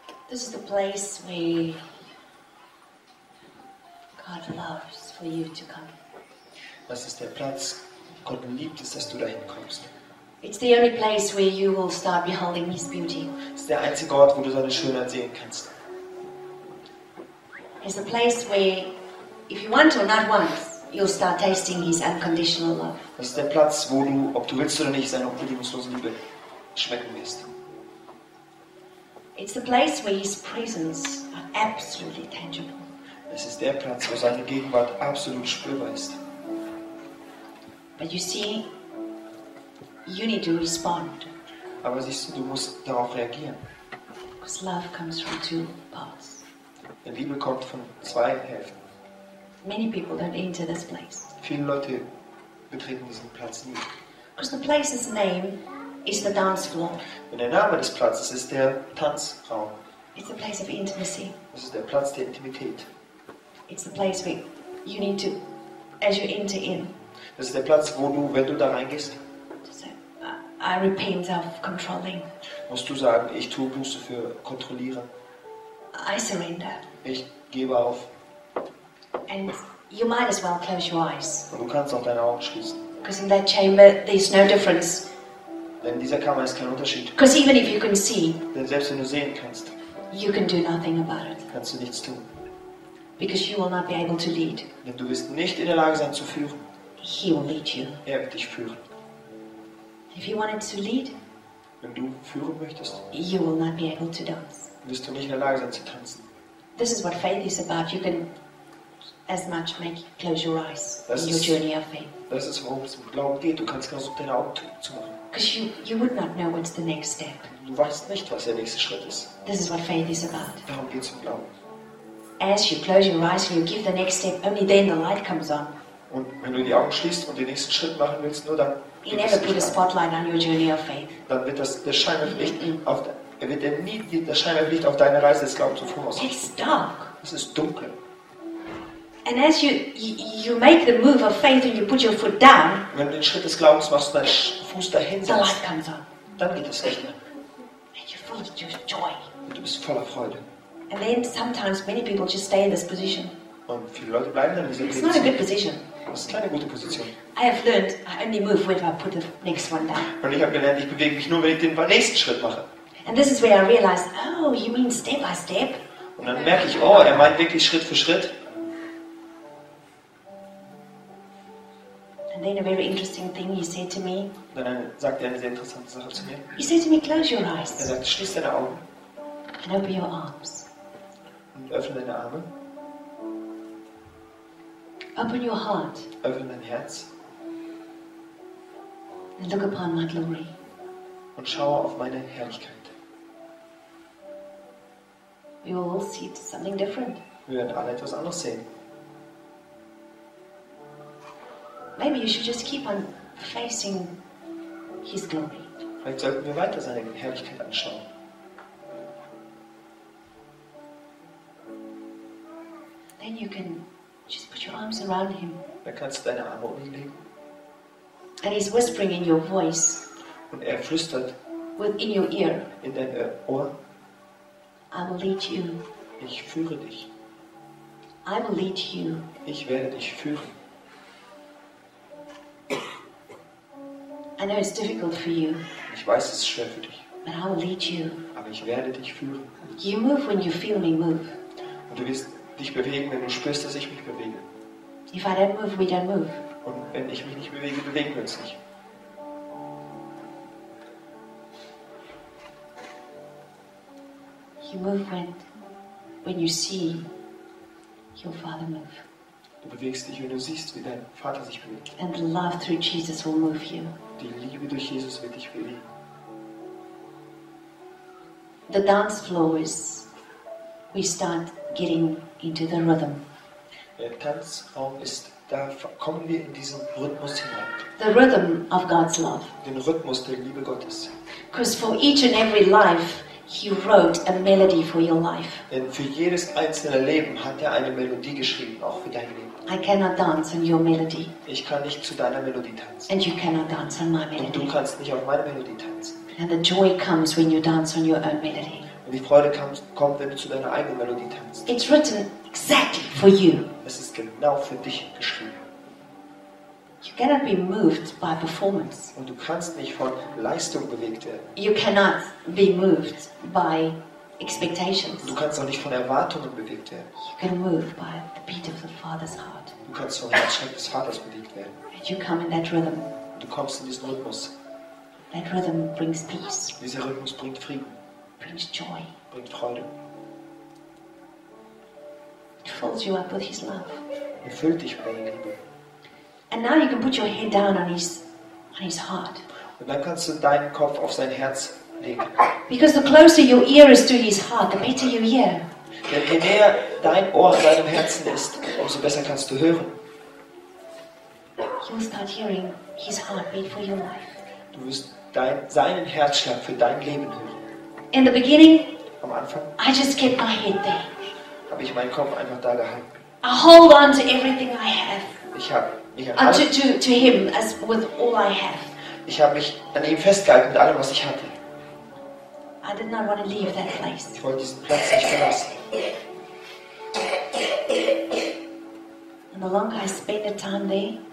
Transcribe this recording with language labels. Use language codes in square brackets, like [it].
[en] This is the place where God loves for you to come. [de] Das ist der Platz, Gott liebt es, dass du dahin kommst. [en] It's the only place where you will start beholding His beauty. [de] Es ist der einzige Ort, wo du seine Schönheit sehen kannst. [en] It's the place where, if you want or not want, you'll start tasting His unconditional love. [de] Das ist der Platz, wo du, ob du willst oder nicht, seine unbedingungslose Liebe schmecken wirst. [en] It's the place where His presence are absolutely tangible. [de] Es ist der Platz, wo seine Gegenwart absolut spürbar ist. [en] But you see, you need to respond. [de] Aber siehst du, du musst darauf reagieren. [en] Because love comes from two parts. [de] Die Liebe kommt von zwei Hälften. [en] Many people don't enter this place. [de] Viele Leute betreten diesen Platz nie. [en] Because the place's name is the dance floor. [de] Denn der Name des Platzes ist der Tanzraum. [en] It's the place of intimacy. [de] Es ist der Platz der Intimität. [en] It's the place where you need to, as you enter in. [de] Es ist der Platz, wo du, wenn du da reingehst, [en] I repent of controlling. [de] Musst du sagen, ich tue Buße für kontrollieren. [en] I surrender. [de] Ich gebe auf. [en] And you might as well close your eyes. [de] Und du kannst auch deine Augen schließen. [en] Because in that chamber there's no difference. [de] Denn in dieser Kammer ist kein Unterschied. [en] Because even if you can see. [de] Denn selbst wenn du sehen kannst. [en] You can do nothing about it. [de] Kannst du nichts tun. [en] Because you will not be able to lead. [de] Denn du wirst nicht in der Lage sein zu führen. [en] He will lead you. [de] Er wird dich führen. [en] If you wanted to lead. [de] Wenn du führen möchtest. [en] You will not be able to dance. [de] Wirst du nicht in der Lage sein zu tanzen. [en] This is what faith is about. You can as much make you close your eyes in your journey of faith. [de] Das ist, worum es im Glauben geht. Du kannst genauso deine Augen zu machen. [en] Because you would not know what's the next step. [de] Du weißt nicht, was der nächste Schritt ist. [en] This is what faith is about. [de] Darum geht's im Glauben. [en] As you close your eyes, you give the next step. Only then the light comes on. [de] Und wenn du die Augen schließt und den nächsten Schritt machen willst, nur dann. [en] You never put a spotlight on your journey of faith. [de] Dann wird der Schein auf dich auf. Er wird nie das scheinbare Licht auf deine Reise des Glaubens zuvor ausrichten. [en] It's dark. [de] Es ist dunkel. [en] And as you make the move of faith and you put your foot down. [de] Wenn du den Schritt des Glaubens machst, deinen Fuß dahin setzt. [en] The light comes on. [de] Dann geht das Licht an. [en] And you're full of joy. [de] Und du bist voller Freude. [en] And then sometimes many people just stay in this position. [de] Und viele Leute bleiben dann in dieser Position. [en] It's not a good position. [de] Das ist keine gute Position. [en] I have learned I only move when I put the next one down. [de] Und ich habe gelernt, ich bewege mich nur, wenn ich den nächsten Schritt mache. [en] And this is where I realized, oh, you mean step by step? [de] Und dann merke ich, oh, er meint wirklich Schritt für Schritt. [en] And then a very interesting thing he said to me. [de] Dann sagt er eine sehr interessante Sache zu mir. [en] He said to me, close your eyes. [de] Er sagt, schließ deine Augen. [en] And open your arms. [de] Und öffne deine Arme. [en] Open your heart. [de] Öffne dein Herz. [en] And look upon my glory. [de] Und schaue auf meine Herrlichkeit. [en] You will see something different. [de] Wir werden alle etwas anderes sehen. [en] Maybe you should just keep on facing his glory. [de] Vielleicht sollten wir weiter seine Herrlichkeit anschauen. [en] Then you can just put your arms around him. [de] Dann kannst du deine Arme um ihn legen. [en] And he's whispering in your voice. [de] Und er flüstert. [en] Within your ear. [de] In dein Ohr. [en] I will lead you. [de] Ich führe dich. [en] I will lead you. [de] Ich werde dich führen. [en] I know it's difficult for you. [de] Ich weiß, es ist schwer für dich. [en] But I will lead you. [de] Aber ich werde dich führen. [en] You move when you feel me move. [de] Und du wirst dich bewegen, wenn du spürst, dass ich mich bewege. [en] If I don't move, we don't move. [de] Und wenn ich mich nicht bewege, bewegen wir uns nicht. [en] You move when you see your father move. [de] Du bewegst dich, wenn du siehst, wie dein Vater sich bewegt. [en] And the love through Jesus will move you. [de] Die Liebe durch Jesus wird dich bewegen. [en] The dance floor is, we start getting into the rhythm. [de] Der Tanzraum ist, da kommen wir in diesen Rhythmus hinein. [en] The rhythm of God's love. [de] Den Rhythmus der Liebe Gottes. [en] Because for each and every life. He wrote a melody for your life. [de] Denn für jedes einzelne Leben hat er eine Melodie geschrieben, auch für dein Leben. [en] I cannot dance on your melody. [de] Ich kann nicht zu deiner Melodie tanzen. [en] And you cannot dance on my melody. [de] Und du kannst nicht auf meine Melodie tanzen. [en] And the joy comes when you dance on your own melody. [de] Und die Freude kommt, wenn du zu deiner eigenen Melodie tanzt. [en] It's written exactly for you. [de] Es ist genau für dich geschrieben. [en] You cannot be moved by performance. [de] Und du kannst nicht von Leistung bewegt werden. [en] You cannot be moved by expectations. [de] Du kannst auch nicht von Erwartungen bewegt werden. [en] You can move by the beat of the Father's heart. [de] Du kannst vom Herzschlag des Vaters bewegt werden. [en] And you come in that rhythm. [de] Du kommst in diesen Rhythmus. [en] That rhythm brings peace. [de] Dieser Rhythmus bringt Frieden. [en] Brings joy. [de] Bringt Freude. [en] It fills you up with His love. [de] Er füllt dich mit seiner Liebe. [en] And now you can put your head down on his heart. [de] Und dann kannst du deinen Kopf auf sein Herz legen. [en] Because the closer your ear is to his heart, the better you hear. [de] Denn je näher dein Ohr deinem Herzen ist, umso besser kannst du hören. [en] you'll start hearing his heartbeat for your life. [de] Du wirst seinen Herzschlag für dein Leben hören. [en] In the beginning, [de] am Anfang, [en] I just kept my head there. [de] Habe ich meinen Kopf einfach da gehalten. [en] I hold on to everything I have. [de] Ich habe [en] to him as with all I have. [de] Ich habe mich an ihm festgehalten mit allem, was ich hatte. [en] I did not want to leave that place. [de] Ich wollte diesen Platz nicht verlassen. [en] And the longer I spent the time there,